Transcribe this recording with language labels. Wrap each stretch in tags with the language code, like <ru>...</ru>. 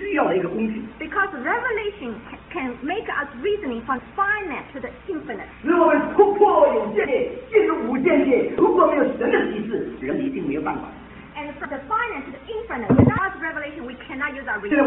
<en>Because revelation can make us reasoning from finite to the infinite.</en> <zh>如果我们突破有限界进入无限界，如果没有神的启示，人一定没有办法。</zh> <en>And from the finite to the infinite, without revelation, we cannot use our reason.</en>